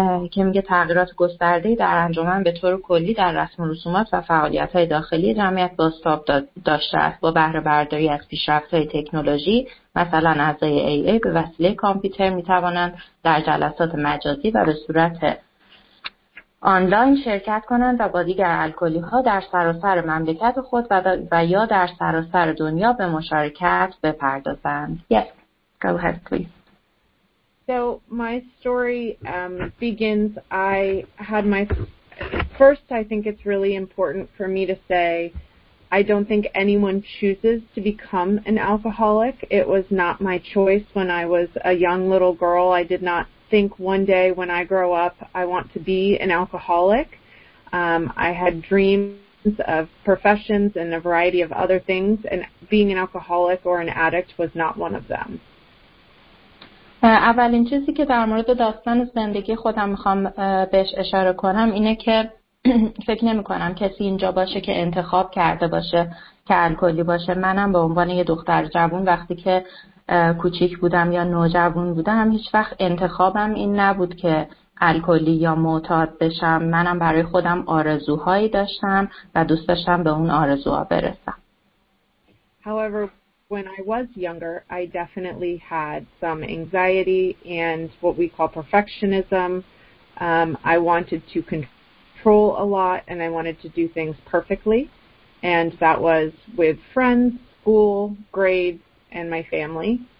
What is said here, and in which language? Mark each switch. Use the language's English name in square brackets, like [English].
[Persian] که میگه تغییرات گسترده‌ای در انجمن به طور کلی در رسم و رسومات و فعالیت‌های داخلی جمعیت بازتاب داشته است. با بهره برداری از پیشرفت‌های تکنولوژی، مثلا اعضای AA به وسیله کامپیوتر میتوانند در جلسات مجازی و به صورت آنلاین شرکت کنند و با دیگر الکلی‌ها در سراسر مملکت خود و یا در سراسر دنیا به مشارکت بپردازند. [English] Yes, go ahead please. So my story begins, I had my, first I think it's really important for me to say, I don't think anyone chooses to become an alcoholic. It was not my choice when I was a young little girl. I did not think one day when I grow up, I want to be an alcoholic. I had dreams of professions and a variety of other things, and being an alcoholic or an addict was not one of them. [Persian] اولین چیزی که در مورد داستان زندگی خودم میخوام بهش اشاره کنم اینه که فکر نمی کنم کسی اینجا باشه که انتخاب کرده باشه که الکلی باشه. منم به عنوان یه دختر جوون وقتی که کوچیک بودم یا نوجوون بودم، هیچ وقت انتخابم این نبود که الکلی یا معتاد بشم. منم برای خودم آرزوهایی داشتم و دوست داشتم به اون آرزوها برسم. [English] However, when I was younger, I definitely had some anxiety and what we call perfectionism. I wanted to control a lot and I wanted to do things perfectly. And that was with friends, school, grades, and my family.